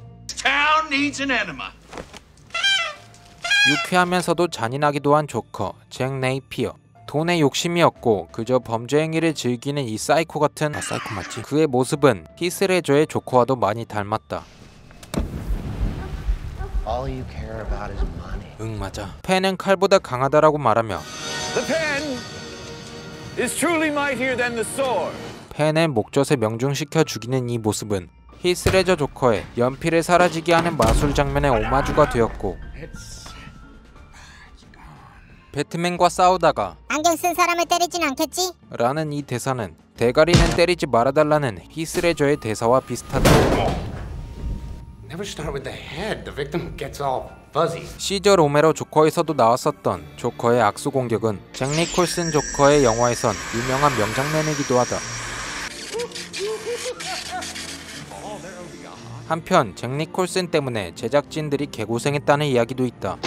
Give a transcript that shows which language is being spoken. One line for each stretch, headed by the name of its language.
English: Town needs an enema.
Korean: 유쾌하면서도 잔인하기도 한 조커, 잭 네이피어. 돈에 욕심이 없고 그저 범죄 행위를 즐기는 이 사이코 같은 아 사이코 맞지? 그의 모습은 히스레저의 조커와도 많이 닮았다.
English: All you care about is money.
Korean: 응 맞아. 펜은 칼보다 강하다라고 말하며
English: The pen is truly mightier than the sword.
Korean: 펜의 목젖에 명중시켜 죽이는 이 모습은 히스레저 조커의 연필을 사라지게 하는 마술 장면의 오마주가 되었고 배트맨과 싸우다가 안경 쓴 사람을 때리진 않겠지? 라는 이 대사는 대가리는 때리지 말아달라는 히스레저의 대사와 비슷하다.
English: Never start with the head. The victim gets all fuzzy.
Korean: 시저 로메로 조커에서도 나왔었던 조커의 악수 공격은 잭 니콜슨 조커의 영화에선 유명한 명장면이기도 하다. 한편 잭 니콜슨 때문에 제작진들이 개고생했다는 이야기도 있다.